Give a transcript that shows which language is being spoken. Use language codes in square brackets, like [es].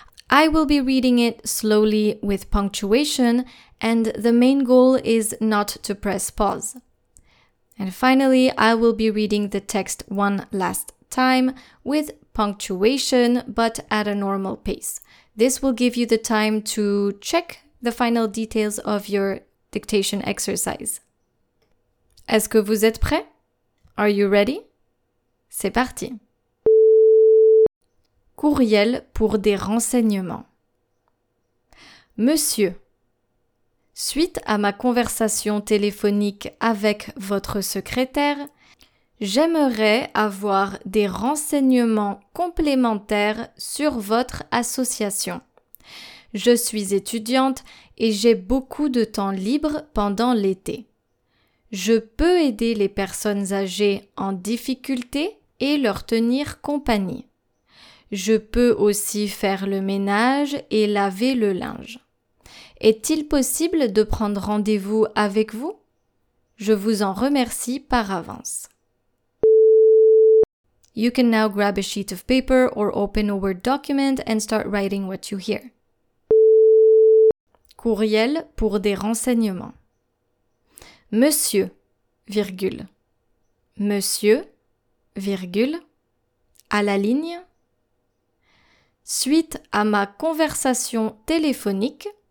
[en] I will be reading it slowly with punctuation, and the main goal is not to press pause. And finally, I will be reading the text one last time with punctuation, but at a normal pace. This will give you the time to check the final details of your dictation exercise. [fr] Est-ce que vous êtes prêts? [en] Are you ready? [fr] C'est parti! Courriel pour des renseignements. Monsieur, suite à ma conversation téléphonique avec votre secrétaire, j'aimerais avoir des renseignements complémentaires sur votre association. Je suis étudiante et j'ai beaucoup de temps libre pendant l'été. Je peux aider les personnes âgées en difficulté et leur tenir compagnie. Je peux aussi faire le ménage et laver le linge. Est-il possible de prendre rendez-vous avec vous? Je vous en remercie par avance. [en] You can now grab a sheet of paper or open a Word document and start writing what you hear. [fr] Courriel pour des renseignements. Monsieur, virgule. Monsieur, virgule. À la ligne. Suite à ma conversation téléphonique.